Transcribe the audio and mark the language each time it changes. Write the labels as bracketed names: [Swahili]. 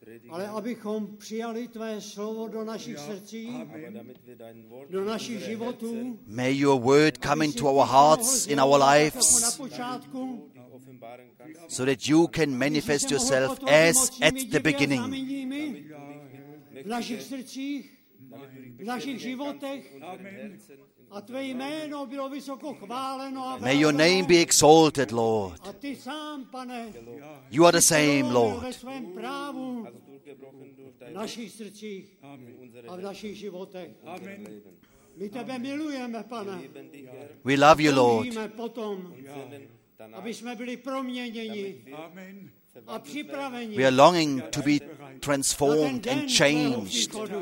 [Czech] Ale abychom přijali tvé slovo do našich srdcí, do našich životů. [English] May your word come into our hearts, in our lives, so that you can manifest yourself as at the beginning. [Czech] V našich srdcích, v našich životech. A tvé jméno bylo vysoko chváleno. [English] May your name be exalted, Lord. [Czech] A ty sám, pane. [English] You are the same, Lord. [Czech] Ve svém právu. V našich srdcích a v našich životech. My tebe milujeme, pane. [English] We love you, Lord. [Czech] Toužíme potom, aby jsme byli proměněni a připraveni. [English] We are longing to be transformed and changed.